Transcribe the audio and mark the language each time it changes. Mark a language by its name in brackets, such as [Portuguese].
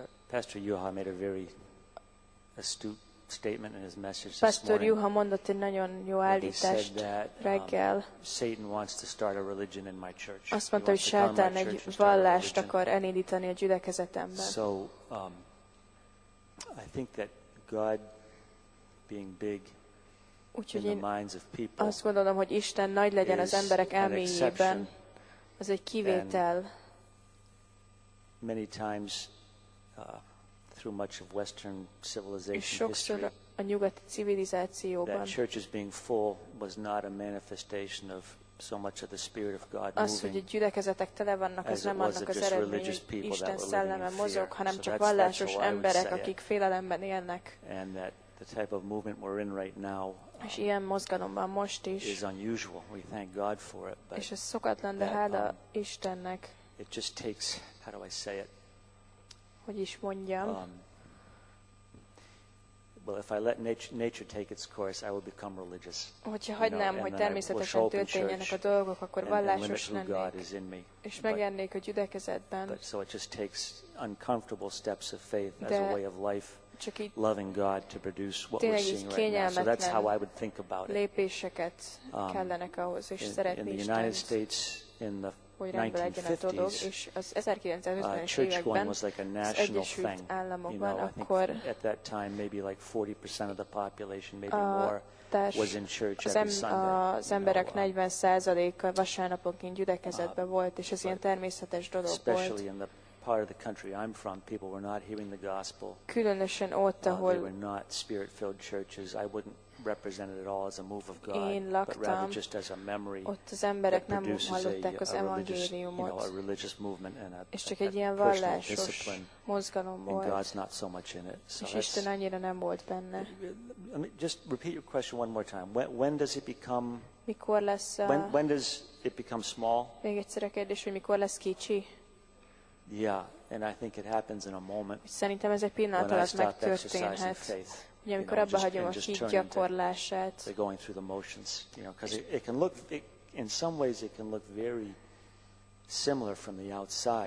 [English] Pastor Juha made a very astute statement in his message this Pastor morning. [Hungarian] Juha mondott egy nagyon jó állítást reggel. [English] Satan wants to start a religion in my church. [Hungarian] Azt mondta, hogy Sátán egy vallást akar elindítani a gyülekezetemben. [English] So I think that God being big [Hungarian] Úgyhogy [English] in the minds of people. [Hungarian] Azt gondolom, hogy Isten nagy legyen az emberek elméjében. Az egy kivétel. [English] Many times through much of Western civilization [Hungarian] és sokszor a nyugati civilizációban [English] that churches being full was not a manifestation of so much of the spirit of God [Hungarian] az, hogy a gyülekezetek tele vannak, az nem annak az eredménye, hogy Isten szelleme mozog, hanem [English] so [Hungarian] csak vallásos emberek, akik félelemben élnek. [English] And that the type of movement we're in right now [Hungarian] és ilyen mozgalomban most is [English] is unusual. We thank God for it, but [Hungarian] és ez szokatlan, de hála Istennek. [English] It just takes, how do I say it? [Hungarian] Hogy is mondjam. [English] Well, if I let nature take its course, I will become religious. [Hungarian] Hogyha hagynám, hogy természetesen történjenek a dolgok, akkor vallásos lennék. És megjelennék a gyülekezetben. [English] So it just takes uncomfortable steps of faith as a way of life, loving God to produce what we're seeing right now. So that's how I would think about it. [Hungarian] Lépéseket kellenek ahhoz, és szeretni Istent. [English] In the United States, in the 1950s, church going was like a national thing. You know, [Hungarian] akkor, [English] I think at that time maybe like 40% of the population, maybe more, was in church every Sunday. [Hungarian] Az emberek 40%-a vasárnaponként gyülekezetben volt, és ez ilyen természetes dolog volt. [English] Especially in the part of the country I'm from, people were not hearing the gospel. [Hungarian] Különösen ott, ahol [English] they were not spirit-filled churches. I wouldn't represented at all as a move of God, [Hungarian] én laktam, [English] but rather just as a memory [Hungarian] ott az emberek nem hallották az evangéliumot, [English] a religious movement and a, [Hungarian] és csak egy a ilyen vallásos mozgalom volt, [English] and God's not so much in it, so [Hungarian] és Isten annyira nem volt benne. [English] Let me just repeat your question one more time. When does it become, [Hungarian] mikor lesz a, [English] when does it become small? [Hungarian] Még egyszer a kérdés, hogy mikor lesz kicsi? [English] Yeah, and I think it happens in a moment. [Hungarian] Szerintem ez egy pillanat alatt megtörténhet. Ugye, amikor abba hagyom a hit gyakorlását. [English] They're going through the motions, you know, because it can look, in some ways it can look very similar from the outside.